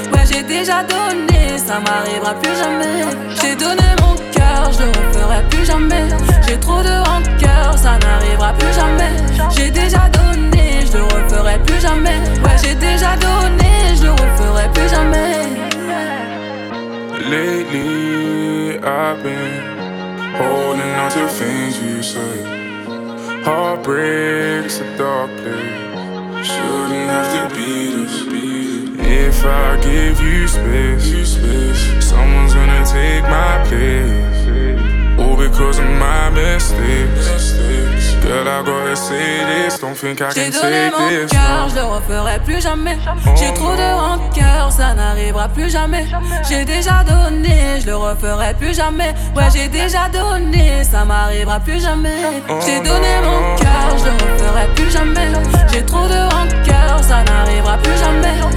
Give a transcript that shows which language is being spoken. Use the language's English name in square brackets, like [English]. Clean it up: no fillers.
[French] Ouais, j'ai déjà donné, ça m'arrivera plus jamais. J'ai donné mon cœur, je referai plus jamais. J'ai trop de rancœur, ça n'arrivera plus jamais. J'ai déjà donné, je le referai plus jamais. Ouais, j'ai déjà donné, je le referai plus jamais. [English] Lately, I've been holding on to things you say. Heartbreak's a dark place. Shouldn't have to be this. If I give you space, someone's gonna take my place. All because of my mistakes. Girl, I gotta say this, don't think I [French] J'ai [English] can say this. [French] J'ai donné mon cœur, je le referai plus jamais. J'ai trop de rancœur, ça n'arrivera plus jamais. J'ai déjà donné, je le referai plus jamais. Ouais, j'ai déjà donné, ça m'arrivera plus jamais. J'ai donné mon cœur, je le referai plus jamais. J'ai trop de rancœur, ça n'arrivera plus jamais.